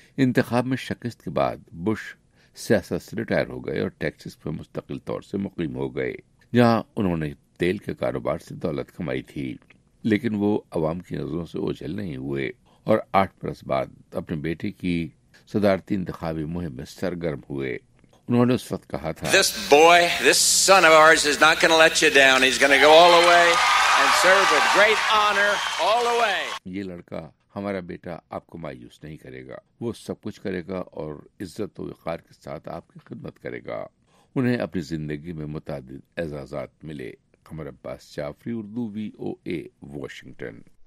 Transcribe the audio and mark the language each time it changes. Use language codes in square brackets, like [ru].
[ur] انتخاب میں شکست کے بعد بش سیاست سے ریٹائر ہو گئے اور ٹیکسس میں مستقل طور سے مقیم ہو گئے، جہاں انہوں نے تیل کے کاروبار سے دولت کمائی تھی. لیکن وہ عوام کی نظروں سے اوجھل نہیں ہوئے، اور 8 برس بعد اپنے بیٹے کی صدارتی انتخابی مہم میں سرگرم ہوئے. انہوں نے اس وقت کہا تھا، [en] This boy, this son of ours is not going to let you down. He's going to go all the way and serve with great honor all the way. [ur] یہ لڑکا ہمارا بیٹا آپ کو مایوس نہیں کرے گا، وہ سب کچھ کرے گا اور عزت و وقار کے ساتھ آپ کی خدمت کرے گا. انہیں اپنی زندگی میں متعدد اعزازات ملے. قمر عباس جعفری، اردو وی او اے، واشنگٹن.